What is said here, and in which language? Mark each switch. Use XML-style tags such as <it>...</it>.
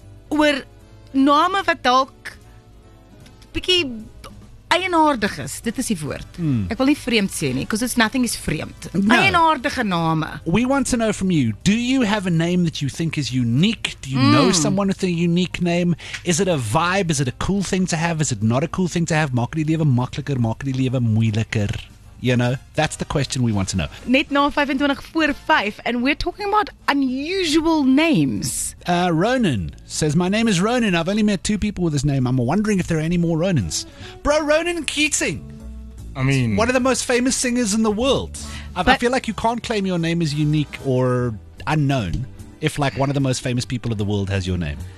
<af>Oor name wat dalk bietjie eienaardig is, dit is die woord. Mm. Ek wil nie vreemd sê nie,</af> <en>because nothing is</en> <af>vreemd. No. Eienaardige name.</af> <en>We want to know from you, do you have a name that you think is unique? Do you know someone with a unique name? Is it a vibe? Is it a cool thing to have? Is it not a cool thing to have?</en> <af>Maak die lewe makliker, maak die lewe moeiliker.</af> <en>You know, that's the question we want to know.</en> <af>Net na 25 voor 5,</af> <en>and we're talking about unusual names. Ronan says, my name is Ronan. I've only met two people with this name. I'm wondering if there are any more Ronans. Bro, Ronan Keating. I mean, one of the most famous singers in the world. I feel like you can't claim your name is unique or unknown if, like, one of the most famous people of the world has your name.</en>